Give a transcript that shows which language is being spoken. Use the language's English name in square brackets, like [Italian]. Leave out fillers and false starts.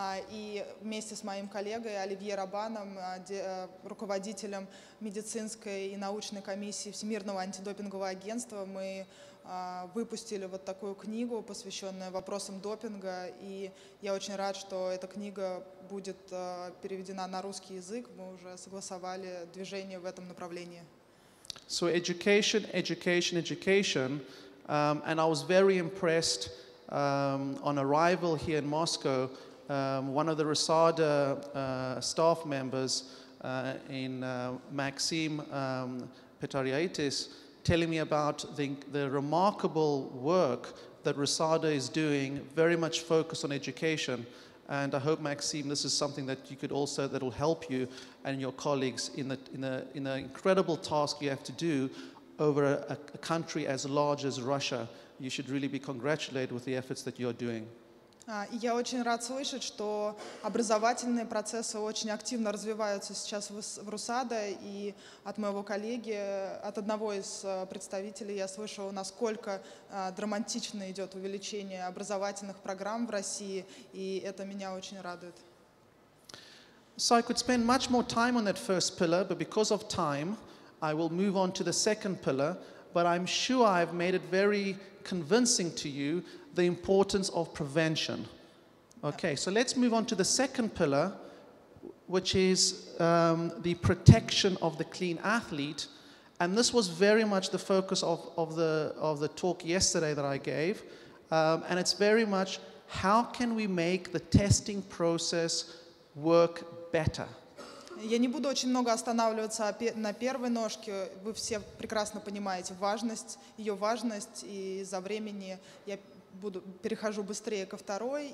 [Russian] И вместе с моим коллегой Оливье Рабаном, руководителем медицинской и научной комиссии Всемирного антидопингового агентства, мы выпустили вот такую книгу, посвященную вопросам допинга. И я очень рад, что эта книга будет переведена на русский язык. Мы уже согласовали движение в этом направлении. [English] So education, education, education. And I was very impressed on arrival here in Moscow. One of the RASADA staff members in Maxim Petariatis telling me about the remarkable work that RASADA is doing, very much focused on education. And I hope, Maxim, this is something that you could also, that will help you and your colleagues in the incredible task you have to do over a country as large as Russia. You should really be congratulated with the efforts that you're doing. [Russian] Я очень рад слышать, что образовательные процессы очень активно развиваются сейчас в РУСАДА, и от моего коллеги, от одного из представителей я слышала, насколько драматично идет увеличение образовательных программ в России, и это меня очень радует. [English] So I could spend much more time on that first pillar, but because of time, I will move on to the second pillar, but I'm sure I've made it very convincing to you the importance of prevention. Okay, so let's move on to the second pillar, which is the protection of the clean athlete. And this was very much the focus of the talk yesterday that I gave. And it's very much, how can we make the testing process work better? [Russian] Я не буду очень много останавливаться на первой ножке. Вы все прекрасно понимаете важность, ее важность, и за времени я перехожу быстрее ко второй.